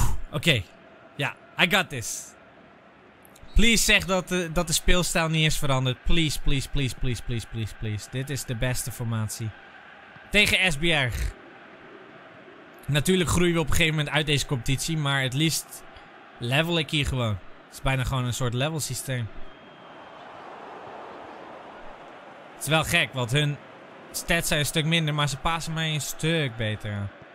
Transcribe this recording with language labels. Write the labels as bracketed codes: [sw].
[nl] Oké, ja, [en] I got this. Please [nl] zeg dat de speelstijl niet is veranderd. [en] Please, please, please, please, please, please, please. [nl] Dit is de beste formatie. Tegen SBR. Natuurlijk groeien we op een gegeven moment uit deze competitie, maar het liefst level ik hier gewoon. Het is bijna gewoon een soort level systeem. Het is wel gek, want hun stats zijn een stuk minder, maar ze passen mij een stuk beter aan.